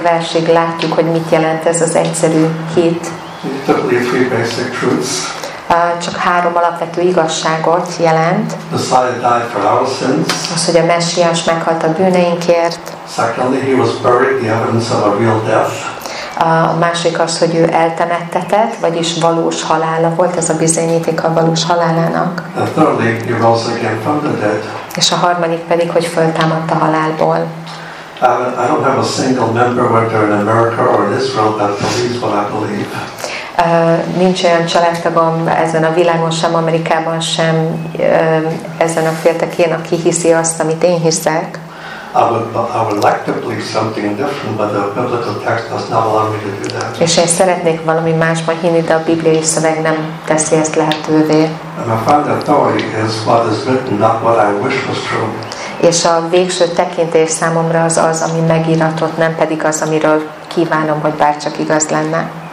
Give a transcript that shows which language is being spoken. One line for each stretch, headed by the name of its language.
Hungarian: Versig látjuk, hogy mit jelent ez az egyszerű hit.
English: Three basic truths.
Hungarian: csak három alapvető igazságot jelent.
English: The Messiah died for our sins.
Hungarian: Az, hogy a Messiás meghalt a bűneinkért.
English: Secondly, he was buried, the evidence of a real death.
Hungarian: A másik az, hogy ő eltemettetett, vagyis valós halála volt, ez a bizonyíték a valós halálának.
English: And thirdly, he rose again from the dead.
Hungarian: És a harmadik pedig, hogy föltámadt a halálból.
English: I don't have a single member whether in America or in Israel that believes what I believe.
Hungarian: Nincs olyan családtagom ezen a világon, sem Amerikában, sem ezen a féltekén, aki hiszi azt, amit én hiszek.
English: I would like to believe something different, but the biblical text does not allow me to do that.
Hungarian: És én szeretnék valami másban hinni, de a bibliai szöveg nem teszi ezt lehetővé.
English: And my final authority is what is written, not what I wish was true.
Hungarian: És a végső tekintés számomra az az, ami megíratott, nem pedig az, amiről kívánom, hogy bárcsak igaz lenne.